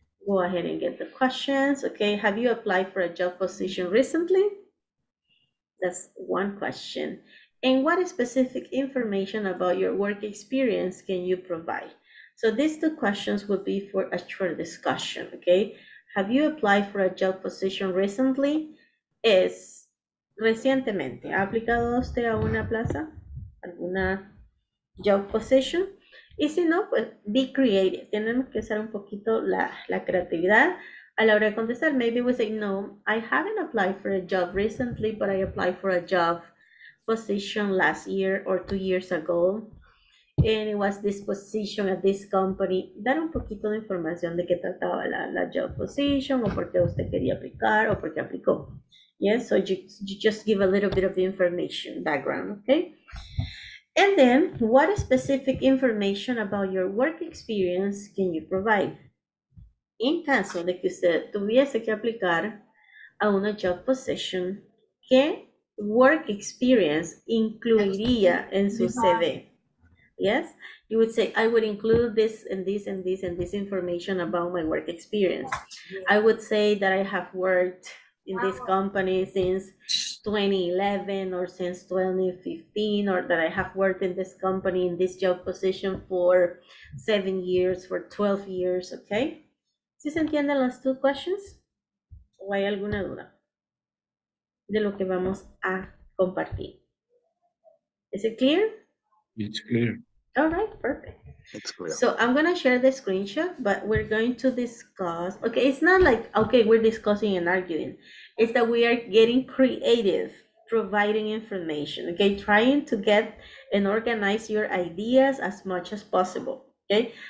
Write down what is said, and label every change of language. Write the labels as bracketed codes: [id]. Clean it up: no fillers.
[en] go ahead and get the questions. Okay, have you applied for a job position recently? That's one question. And what specific information about your work experience can you provide? So these two questions would be for a short discussion, okay? Have you applied for a job position recently? [es] Es recientemente, ¿ha aplicado usted a una plaza? ¿Alguna job position? Y si no, pues [en] be creative. [es] Tenemos que usar un poquito la creatividad a la hora de contestar. [en] Maybe we say, no, I haven't applied for a job recently, but I applied for a job position last year or 2 years ago. And it was this position at this company. [es] Dar un poquito de información de qué trataba la job position, o por qué usted quería aplicar, o por qué aplicó. [en] Yes, so you just give a little bit of information, background, okay? And then, what specific information about your work experience can you provide? [es] En caso de que usted tuviese que aplicar a una job position, ¿qué work experience incluiría en su CV? [en] Yes, you would say, I would include this and this and this and this information about my work experience. I would say that I have worked in this company since 2011 or since 2015, or that I have worked in this company in this job position for 7 years, for 12 years, okay? [es] ¿Sí se entienden las [en] two questions? [es] ¿O hay alguna duda de lo que vamos a compartir? [en] Is it clear? It's clear. All right, perfect. That's clear. So I'm going to share the screenshot, but we're going to discuss. Okay, it's not like, okay, we're discussing and arguing. It's that we are getting creative, providing information, okay? Trying to get and organize your ideas as much as possible, okay?